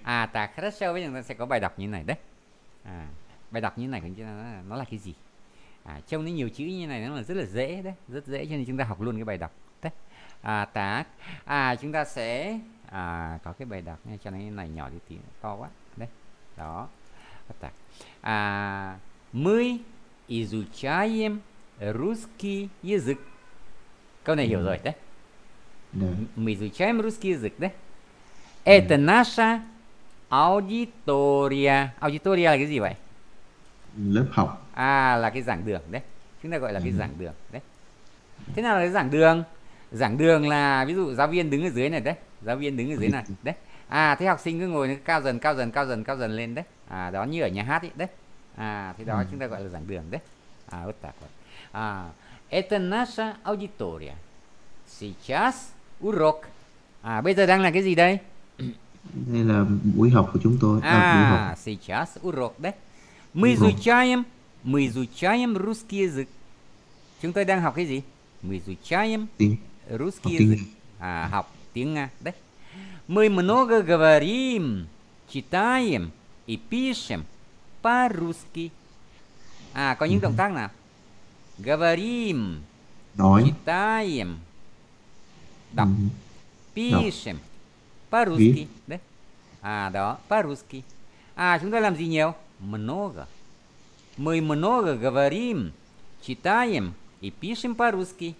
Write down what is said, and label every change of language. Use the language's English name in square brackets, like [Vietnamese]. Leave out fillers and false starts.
[Vietnamese] À, ta khá sâu với nó sẽ có bài đọc như này đấy. À, bài đọc như này của nó là cái gì? À, trông nó nhiều chữ như này nó là rất là dễ đấy, rất dễ cho nên chúng ta học luôn cái bài đọc đấy. À, ta à chúng ta sẽ có cái bài đọc nha, cho nên cái này nhỏ thì to quá đấy. Đó. Ta. [Russian] À, мы изучаем русский язык. [Vietnamese] Câu này hiểu rồi đấy. [Russian] Мы изучаем русский язык đấy. Это наша аудитория. [Vietnamese] Аудитория là cái gì vậy? Lớp học. À, là cái giảng đường đấy. Chúng ta gọi là cái giảng đường đấy. Thế nào là cái giảng đường? Giảng đường là ví dụ giáo viên đứng ở dưới này đấy. Giáo viên đứng ở dưới này đấy. À, thế học sinh cứ ngồi cao dần, cao dần, cao dần, cao dần lên đấy. À, đó như ở nhà hát ấy đấy. À, thế đó chúng ta gọi là giảng đường đấy. À, ốt tạc vậy. À, [Russian] это наша аудитория. Сейчас урок. [Vietnamese] À, bây giờ đang là cái gì đây? Đây là buổi học của chúng tôi, à buổi học [Russian] À, сейчас урок [Vietnamese] đấy. Google. [Russian] Мы изучаем русский язык. [Vietnamese] Чúng tôi đang học cái gì? [Russian] Мы изучаем [Vietnamese] Học [Russian] русский [Vietnamese] tiếng язык. À, học tiếng Nga đấy. [Russian] Мы много говорим, читаем и пишем по-русски. [Vietnamese] À, có những động tác nào? Говорим, Nói. [Russian] читаем, đọc, пишем [Vietnamese] Viết. по-русски đấy. À đó, по-русски. À chúng ta làm gì nhiều? Много. [Russian] Мы много говорим, читаем и пишем по-русски.